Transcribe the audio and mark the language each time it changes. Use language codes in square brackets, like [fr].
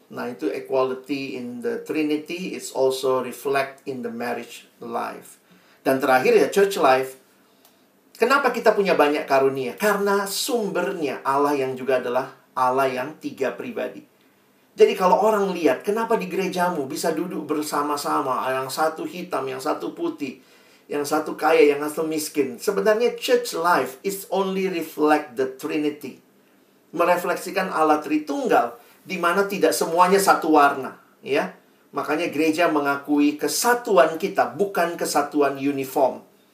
[id] Nah, itu [en] equality in the Trinity is also reflect in the marriage life. [id] Dan terakhir ya, church life. Kenapa kita punya banyak karunia? Karena sumbernya Allah yang juga adalah Allah yang tiga pribadi. Jadi kalau orang lihat, kenapa di gerejamu bisa duduk bersama-sama, yang satu hitam, yang satu putih, yang satu kaya, yang satu miskin. Sebenarnya [en] church life is only reflect the Trinity. [id] Merefleksikan Allah Tritunggal, di mana tidak semuanya satu warna, ya. Makanya gereja mengakui kesatuan kita, bukan kesatuan uniform.